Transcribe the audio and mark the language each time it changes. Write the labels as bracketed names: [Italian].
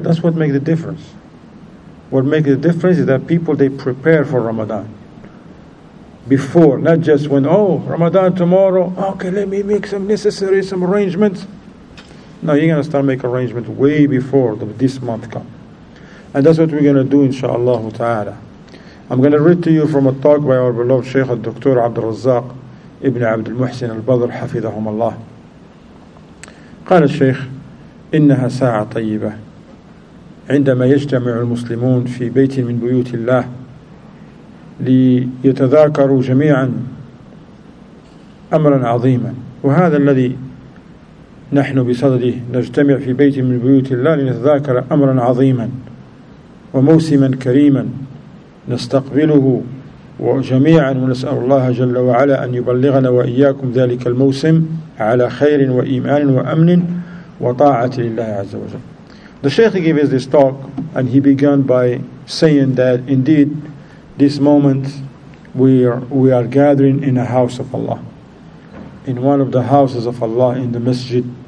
[English] That's what makes the difference. What makes the difference is that people, they prepare for Ramadan before, not just when, oh, Ramadan tomorrow, okay, let me make some necessary, some arrangements. No, you're going to start making arrangements way before this month comes. And that's what we're going to do, inshallah ta'ala. I'm going to read to you from a talk by our beloved Shaykh, Dr. Abdul Razzaq ibn Abdul Muhsin al-Badr, hafidhahum Allah. [Arabic] قال الشيخ, إنها ساعة طيبة عندما يجتمع المسلمون في بيت من بيوت الله ليتذاكروا جميعا أمرا عظيما. وهذا الذي نحن بصدده, نجتمع في بيت من بيوت الله لنتذاكر أمرا عظيما وموسما كريما نستقبله وجميعا, ونسأل الله جل وعلا أن يبلغنا وإياكم ذلك الموسم على خير وإيمان وأمن وطاعة لله عز وجل. [English] The Shaykh gave us this talk, and he began by saying that indeed this moment we are gathering in a house of Allah, in one of the houses of Allah, in the masjid.